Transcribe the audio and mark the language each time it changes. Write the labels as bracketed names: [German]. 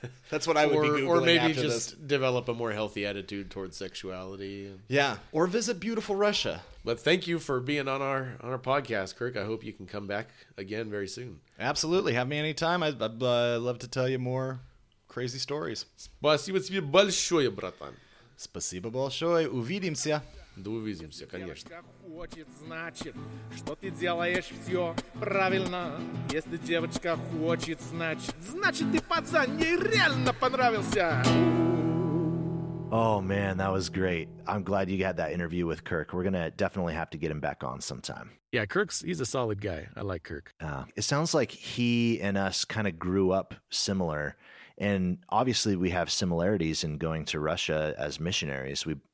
[English] That's what I would be Googling or maybe after just Develop a more healthy attitude towards sexuality. Yeah, or visit beautiful Russia. But thank you for being on our podcast, Kirk. I hope you can come back again very soon. Absolutely. Have me anytime. I'd love to tell you more crazy stories. [Russian] Спасибо тебе большое, братан. Спасибо большое. Увидимся. Да увидимся, конечно. Хочет, значит, что ты делаешь все правильно. Если девочка хочет, значит, ты пацан ей реально понравился. [English] Oh man, that was great. I'm glad you had that interview with Kirk. We're gonna definitely have to get him back on sometime. Yeah, he's a solid guy. I like Kirk. It sounds like he and us kind of grew up similar, and obviously we have similarities in going to Russia as missionaries.